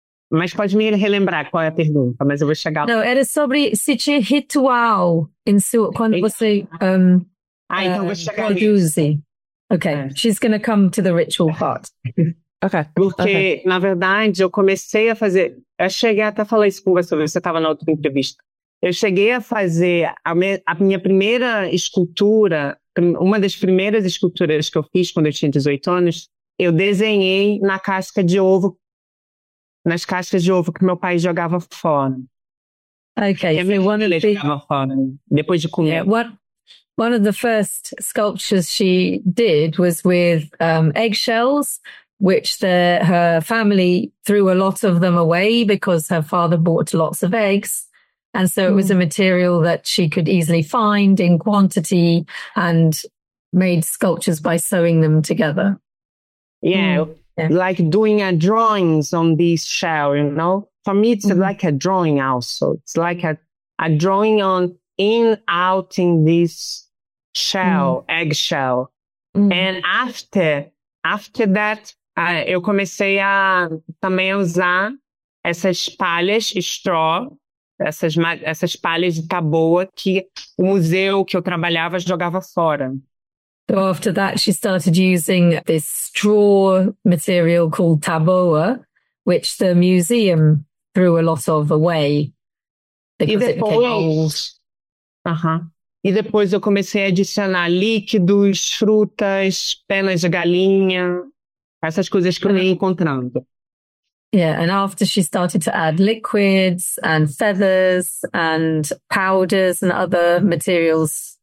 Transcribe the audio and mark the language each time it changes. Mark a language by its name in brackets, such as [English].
[Portuguese] Mas pode me relembrar qual é a pergunta, mas eu vou chegar. Não, era sobre se tinha ritual em sua. Quando você. Então vou chegar nisso. Okay. É. [English] She's going to come to the ritual part. Okay. [Portuguese] Porque, na verdade, eu comecei a fazer... Eu cheguei até a falar isso com você, você estava na outra entrevista. Eu cheguei a fazer a minha primeira escultura, uma das primeiras esculturas que eu fiz quando eu tinha 18 anos, eu desenhei na casca de ovo, nas cascas de ovo que meu pai jogava fora. [English] Okay. [Portuguese] E a minha filha jogava fora, depois de comer. [English] Yeah, one of the first sculptures she did was with eggshells, which her family threw a lot of them away because her father bought lots of eggs. And so it was a material that she could easily find in quantity and made sculptures by sewing them together. Like doing a drawings on these shells, you know? For me, it's like a drawing also. It's like a drawing on in, out in this shell, eggshell. And after that, [Portuguese] eu comecei a também usar essas palhas straw, essas palhas de taboa que o museu que eu trabalhava jogava fora. [English] So after that, she started using this straw material called taboa, which the museum threw a lot of away because it became old. [Portuguese] E depois eu comecei a adicionar líquidos, frutas, penas de galinha. Essas coisas que eu ia encontrando. [English] Yeah, and after she started to add liquids and feathers and powders and other materials